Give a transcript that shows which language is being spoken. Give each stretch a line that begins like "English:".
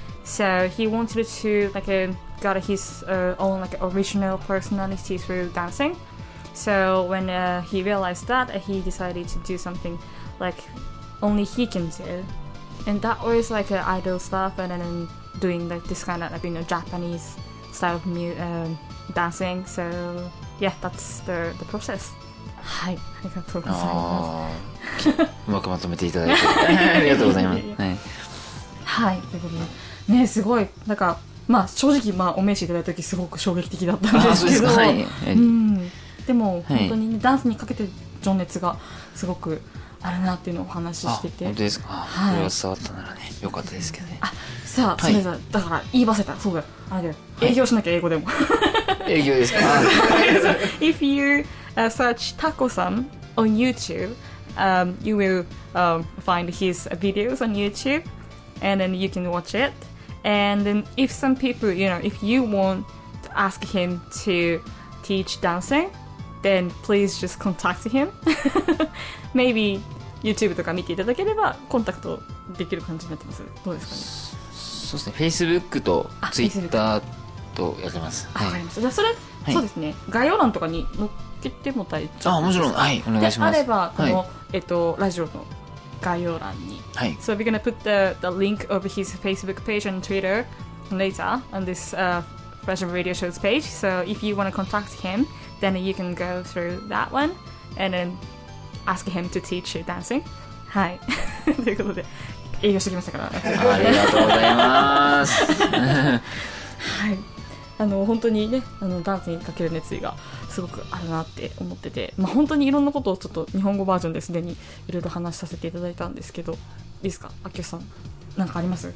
English: So he wanted to like got his own like original personality through dancing. So when he realized that, he decided to do something like only he can do, and that was like idol stuff, and then doing like this kind of like, you know, Japanese style of dancing. So yeah, that's the process.
Japanese: はい、ありがとうございます。うまくまとめていただいてありがとうございます。はい、はい、ということでね、すごいなんか、まあ、正直、まあ、お名刺いただいた時すごく衝撃的だったんですけど、そうですか、はい、でも、はい、本当に、ね、ダンスにかけて情熱がすごくあるなっていうのをお話ししてて、本当ですか、はい、これは伝わったならね、よかったですけどね。あ、さあ、それじゃ、だから言いばせた、そうだよ、あれだよ、営業しなきゃ英語でも、はい、営業ですか。
English: If youSearch Tako-san on YouTube, you will find his videos on YouTube, and then you can watch it. And then if some people, you know, if you want to ask him to teach dancing, then please just contact him. Maybe
Japanese: YouTube とか見ていただければコンタクトできる感じになってます。どうですかね。そうですね、 Facebook と Twitter とやってます。わ、はい、かりました。じゃあそれ、はい、そうですね、概要欄とかに載っけても大丈夫ですか。あ、もちろん、はい、お願いします。であればこの、はい、ラジオの概要欄に、はい、
English: So we're gonna put the link of his Facebook page and Twitter later on this Fresh Radio Show's page. So if you want to contact him, then you can go through that one and then ask him to teach you dancing.
Japanese: はい。ということで営業してきましたから。ありがとうございます。はい。本当にね、ダンスにかける熱意がすごくあるなって思ってて、まあ、本当にいろんなことをちょっと日本語バージョンですでにいろいろ話させていただいたんですけど、いいですか、あきよさん、なんかあります？